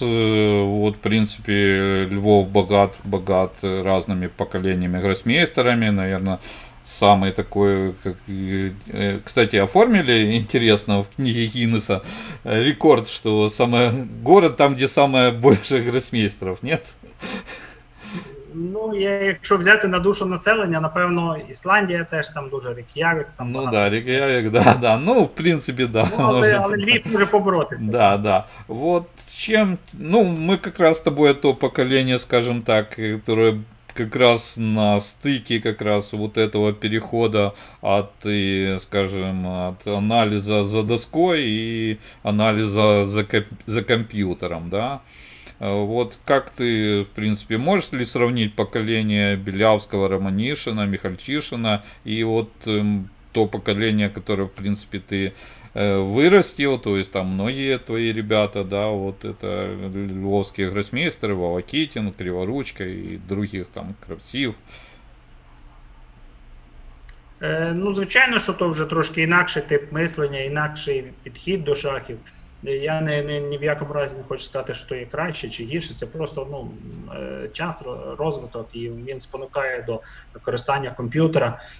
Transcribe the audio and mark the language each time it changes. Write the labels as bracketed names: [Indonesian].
[Russian] Вот, в принципе, Львов богат разными поколениями гроссмейстерами, наверное, самый такой, как, кстати, оформили, интересно, в книге Гиннесса рекорд, что самое город там, где самое больше гроссмейстеров, нет? [Ukrainian] Ну, я, якщо взяти на душу населення, напевно, Ісландія теж там дуже, Рейк'явік. Ну, да, Рейк'явік, да, да, ну, в принципі, да. Ну, але Львів може поборотися. [Russian] Да, да. Вот чем, ну, [Ukrainian] ми якраз з тобою то покоління, [Russian] скажем так, которое как раз на стыке как раз вот этого перехода от, скажем, от анализа за доской и анализа за компьютером, да? Вот как ты, в принципе, можешь ли сравнить поколение Белявского, Романишина, Михальчишина и вот то поколение, которое, в принципе, ты вырастил, то есть там многие твои ребята, да, вот это львовские гроссмейстеры, Волокитин, Криворучка и других там Кравців. [Ukrainian] Ну, звичайно, що то вже трошки інакший тип мислення, інакший підхід до шахів. Я ні в якому разі не хочу сказати, що то є краще чи гірше. Це просто, ну, час, розвиток, і він спонукає до використання комп'ютера.